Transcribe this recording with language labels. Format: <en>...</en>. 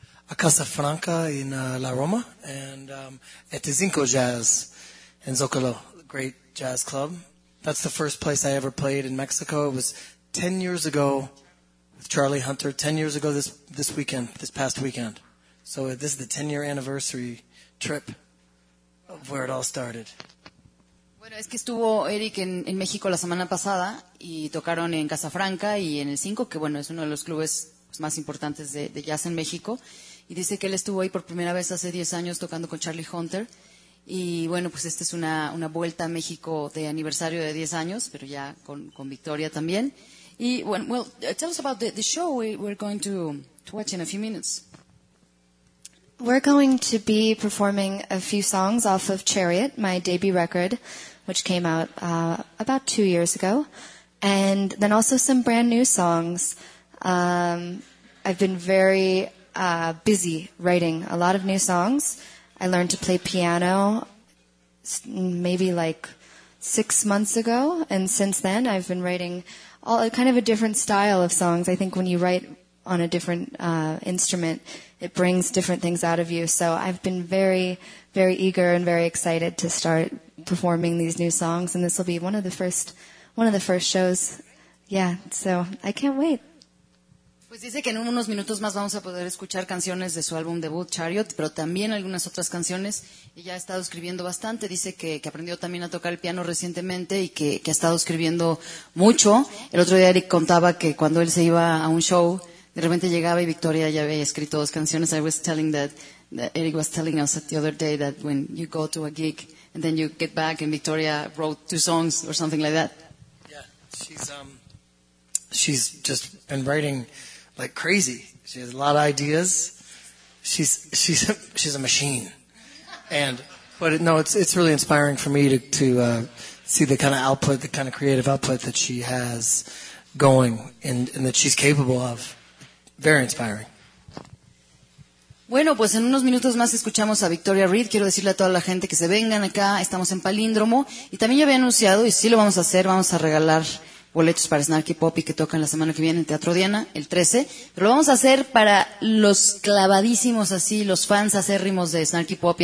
<en>A Casa Franca in La Roma, and at the Zinco Jazz in Zocalo, great jazz club. That's the first place I ever played in Mexico. It was 10 years ago with Charlie Hunter, 10 years ago this past weekend. So this is the 10-year anniversary trip of where it all started.</en> <es>Bueno, es que estuvo Eric en México la semana pasada y tocaron en Casa Franca y en el Zinco, que bueno, es uno de los clubes más importantes de jazz en México. Y dice que él estuvo ahí por primera vez hace 10 años tocando con Charlie Hunter. Y bueno, pues esta es una vuelta a México de aniversario de 10 años, pero ya con Victoria también. Y bueno,</es> <en>well, tell us about the show we're going to watch in a few minutes. We're going to be performing a few songs off of Chariot, my debut record, which came out about 2 years ago. And then also some brand new songs. I've been very busy writing a lot of new songs. I learned to play piano maybe like 6 months ago, and since then I've been writing all kind of a different style of songs. I think when you write on a different instrument, it brings different things out of you. So I've been very, very eager and very excited to start performing these new songs, and this will be one of the first shows. Yeah, so I can't wait.</en> <es>Pues dice que en unos minutos más vamos a poder escuchar canciones de su álbum debut, Chariot, pero también algunas otras canciones. Ella ha estado escribiendo bastante, dice que aprendió también a tocar el piano recientemente y que ha estado escribiendo mucho. El otro día Eric contaba que cuando él se iba a un show, de repente llegaba y Victoria ya había escrito dos canciones.</es> <en>I was telling that Eric was telling us the other day that when you go to a gig and then you get back and Victoria wrote two songs or something like that. Yeah, she's just been writing like crazy. She has a lot of ideas. She's a machine. But it's really inspiring for me to see the kind of output, the kind of creative output that she has going and that she's capable of. Very inspiring.</en> <es>Bueno, pues en unos minutos más escuchamos a Victoria Reed. Quiero decirle a toda la gente que se vengan acá. Estamos en Palíndromo. Y también ya había anunciado, y sí lo vamos a hacer, vamos a regalar boletos para Snarky Poppy que tocan la semana que viene en Teatro Diana, el 13. Pero lo vamos a hacer para los clavadísimos así, los fans acérrimos de Snarky Poppy.</es>